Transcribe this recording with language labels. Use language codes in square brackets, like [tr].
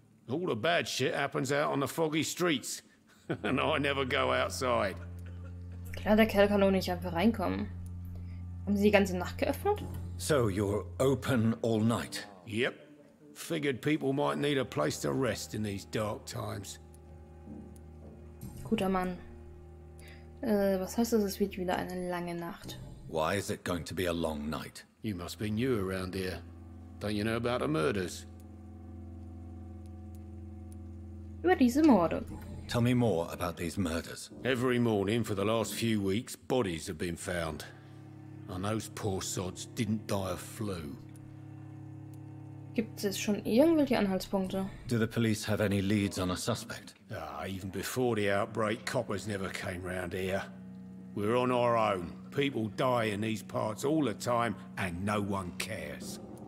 [en] All the bad shit happens out on the foggy streets. And I never go outside. [de] Klar, der Kerl kann doch nicht einfach reinkommen. Haben Sie die ganze Nacht geöffnet? [en] So you're open all night? Yep. Figured people might need a place to rest in these dark times. [de] Guter Mann. Was heißt das, es wird wieder eine lange Nacht? [en] Why is it going to be a long night? You must be new around here. Don't you know about the murders? [de] Über diese Morde. [en] Tell me more about these murders. Every morning for the last few weeks, bodies have been found. And those poor sods didn't die of flu. [de] Gibt es schon irgendwelche Anhaltspunkte? [en] Do the police have any leads on a suspect? Even before the outbreak, coppers never came round here. We're on our own. People die in these parts all the time and no one cares.